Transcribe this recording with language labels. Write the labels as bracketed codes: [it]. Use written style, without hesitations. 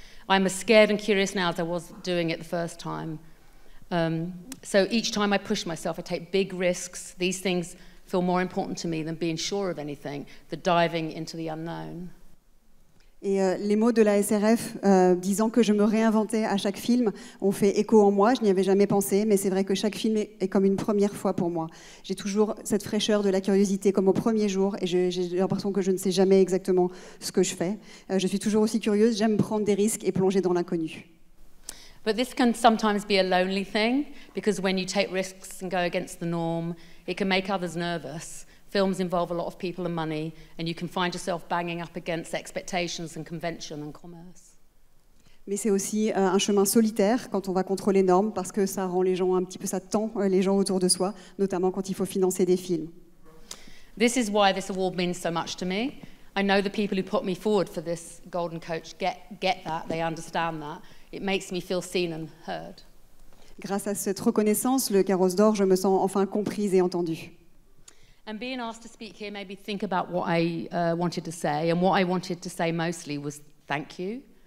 [en] I'm as scared and curious now as I was doing it the first time. So each time I push myself, I take big risks. These things feel more important to me than being sure of anything, the diving into the unknown. [fr] Et les mots de la SRF disant que je me réinventais à chaque film ont fait écho en moi. Je n'y avais jamais pensé, mais c'est vrai que chaque film est comme une première fois pour moi. J'ai toujours cette fraîcheur de la curiosité comme au premier jour, et j'ai l'impression que je ne sais jamais exactement ce que je fais. Je suis toujours aussi curieuse, j'aime prendre des risques et plonger dans l'inconnu. [en] But this can sometimes be a lonely thing, because when you take risks and go against the norm, it can make others nervous. Films involve a lot of people and money, and you can find yourself banging up against expectations and convention and commerce. [fr] Mais c'est aussi un chemin solitaire quand on va contre les normes, parce que ça rend les gens un petit peu, ça tend les gens autour de soi, notamment quand il faut financer des films. [en] This is why this award means so much to me. I know the people who put me forward for this Golden Coach get that, they understand that. It makes me feel seen and heard. [fr] Grâce à cette reconnaissance, le Carrosse d'Or, je me sens enfin comprise et entendue. [en] And being asked to speak here made me think about what I wanted to say, and what I wanted to say mostly was thank you.